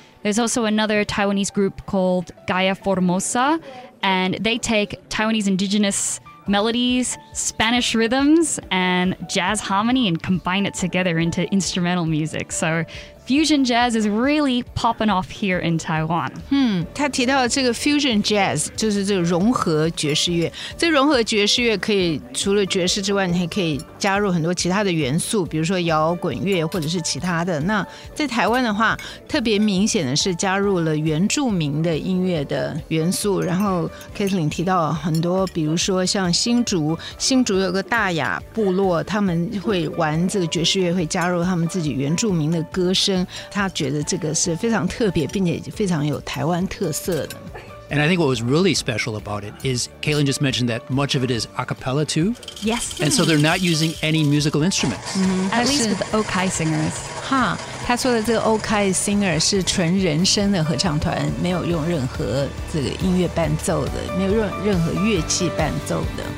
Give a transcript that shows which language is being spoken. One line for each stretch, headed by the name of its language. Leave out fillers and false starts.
English: There's also another Taiwanese group called Gaya Formosa and they take Taiwanese indigenous melodies, Spanish rhythms and jazz harmony and combine it together into instrumental music. So,Fusion jazz is really popping off here in Taiwan.
Chinese: 他提到这个 fusion jazz 就是这个融合爵士乐。这融合爵士乐可以除了爵士之外，你还可以加入很多其他的元素，比如说摇滚乐或者是其他的。那在台湾的话，特别明显的是加入了原住民的音乐的元素。然后 Kathleen 提到很多，比如说像新竹有个大雅部落，他们会玩这个爵士乐，会加入他们自己原住民的歌声。他觉得这个是非常特别并且非常有台湾特色的。
English: And I think what was really special about it is Kaylin just mentioned that much of it is a cappella too. Yes. And so they're not using any musical instruments. At least with the Okai Singers.
Chinese: Huh. 他说的这个 Okai Singer 是纯人声的合唱团没有用任何这个音乐伴奏的没有用任何乐器伴奏的。